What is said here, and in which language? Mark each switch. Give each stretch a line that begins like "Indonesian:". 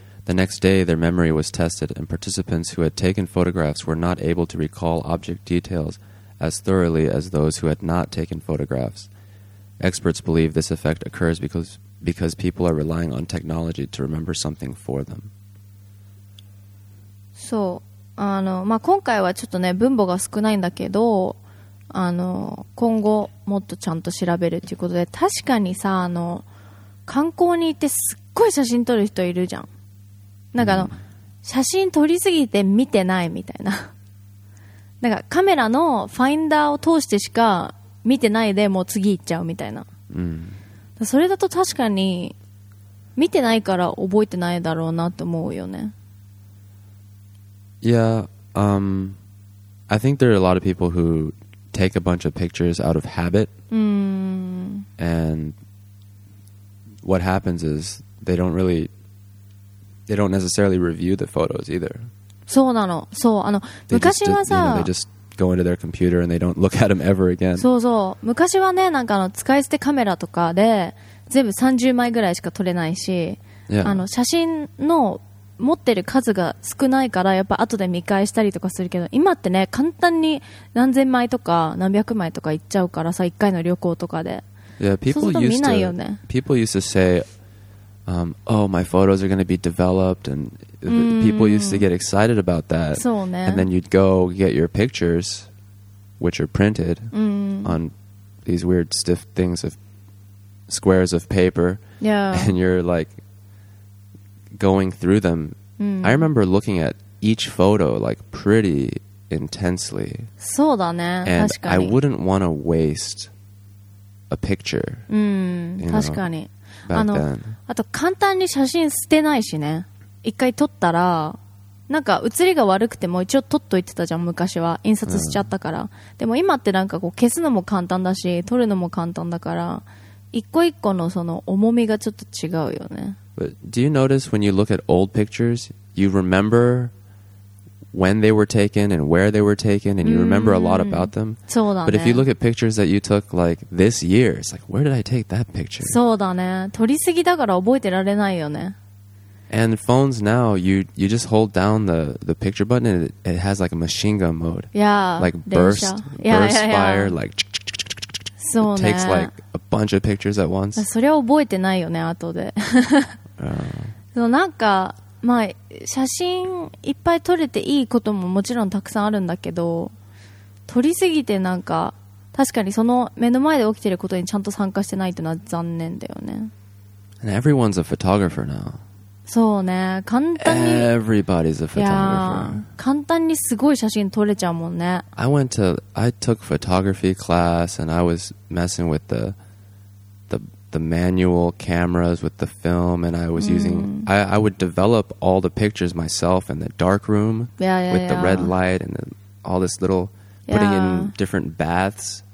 English: The next day, their memory was tested and participants who had taken photographs were not able to recall object details as thoroughly as those who had not taken photographs. Experts believe this effect occurs because people are relying on technology to remember something for them. So...
Japanese: まあ、今回はちょっとね分母が少ないんだけど今後もっとちゃんと調べるということで確かにさ観光に行ってすっごい写真撮る人いるじゃんなんか写真撮りすぎて見てないみたいななんかカメラのファインダーを通してしか見てないでもう次行っちゃうみたいな、うん、それだと確かに見てないから覚えてないだろうなと思うよね
English: Yeah, I think there are a lot of people who take a bunch of pictures out of habit. And what happens is they don't necessarily review the photos either.
Japanese: そうなの。そう、昔はさ、
English: they just go into their computer and they don't look at them ever again.
Japanese: そうそう。昔はね、なんか使い捨てカメラとかで全部30枚ぐらいしか撮れないし、
English: yeah.
Japanese: 写真の持ってる数が少ないからやっぱ後で見返したりとかするけど今ってね簡単に何千枚とか何百枚とか行っちゃうからさ一回の旅行とかで
English: yeah, people
Japanese: そうすると見ないよね
English: people used to say oh my photos are going to be developed and people used to get excited about that
Japanese: そうね
English: and then you'd go get your pictures which are printed on these weird stiff things of squares of paper. Yeah. And you're like going through them. Mm. I remember looking at each photo like pretty intensely.
Japanese: そうだね。確かに。
English: I wouldn't want to waste a picture.
Japanese: うん、確かに。あの、あと簡単に写真捨てないしね。一回撮ったら、なんか写りが悪くても一応撮っといてたじゃん、昔は。印刷しちゃったから。うん、でも今ってなんかこう消すのも簡単だし、撮るのも簡単だから、一個一個のその重みがちょっと違うよね。
English: But do you notice when you look at old pictures, you remember when they were taken and where they were taken, and you remember a lot about them.
Japanese: そうだね。
English: But if you look at pictures that you took like this year, it's like, where did I take that picture?
Japanese: そうだね。撮りすぎだから覚えてられないよね。
English: And phones now, you just hold down the picture button and it has like a machine gun mode. Yeah. Like burst, yeah, burst yeah, fire, yeah. Like...
Japanese: そうね。
English: It takes like a bunch of pictures at once.
Japanese: それは覚えてないよね、後で。そう、なんか、まあ、写真いっぱい撮れていいことももちろんたくさんあるんだけど、撮りすぎてなんか、確かにその目の前で起きてることにちゃんと参加してないというのは残念だよね。
English: And everyone's a photographer now.
Japanese: そうね、簡単に
English: Everybody's a photographer.
Japanese: 簡単にすごい写真撮れちゃうもんね。
English: I took photography class and I was messing with the manual cameras with the film and I was using I would develop all the pictures myself in the dark room with the red light and all this little putting in different baths.